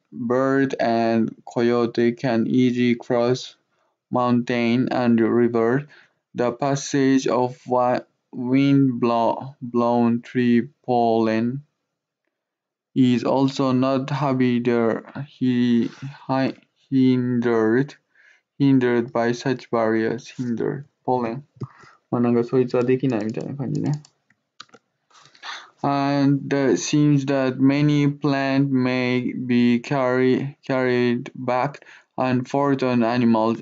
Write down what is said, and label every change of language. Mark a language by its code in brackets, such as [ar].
[en] Bird and coyote can easily cross mountain and river. The passage of wind-blown tree pollen is also not hindered by such barriers. Hindered pollen. [ja] まあなんかそいつはできないみたいな感じね。 [en] And it seems that many plants may be carried back and forth on animals.